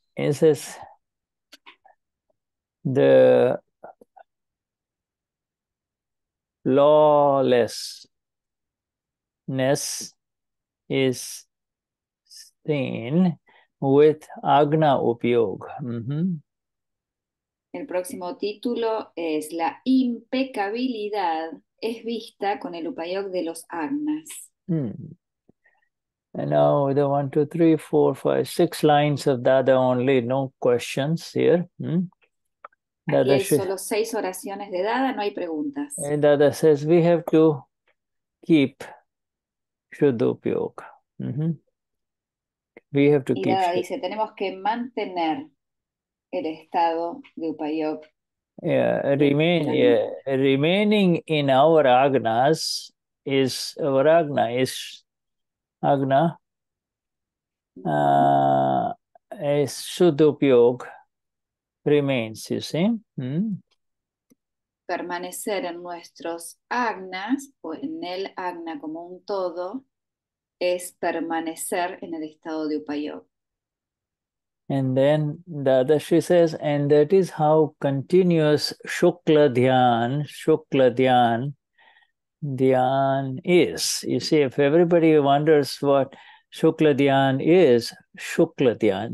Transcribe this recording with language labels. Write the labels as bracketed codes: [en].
[en] It says the lawlessness is seen with Agna Upayoga. Mm-hmm. [es] El próximo título es La impecabilidad es vista con el Upayog de los Agnas. [en] Mm. And now the 1, 2, 3, 4, 5, 6 lines of Dada only, no questions here. Mm? [es] Dada aquí hay solo 6 oraciones de Dada, no hay preguntas. [en] And Dada says we have to keep Shuddha Upayoga. Mm-hmm. We have to [es] y [en] keep Dada Shuddha. [es] Dice, tenemos que mantener el estado de Upayoga. [en] Remaining in our Agnas is our Agna is Agna is Shuddha Upayoga remains, you see. Mm? [es] Permanecer en nuestros Agnas o en el Agna como un todo es permanecer en el estado de Upayoga. [en] And then Dadashri says, and that is how continuous Shukla Dhyan, Dhyan is. You see, if everybody wonders what Shukla Dhyan is, Shukla Dhyan.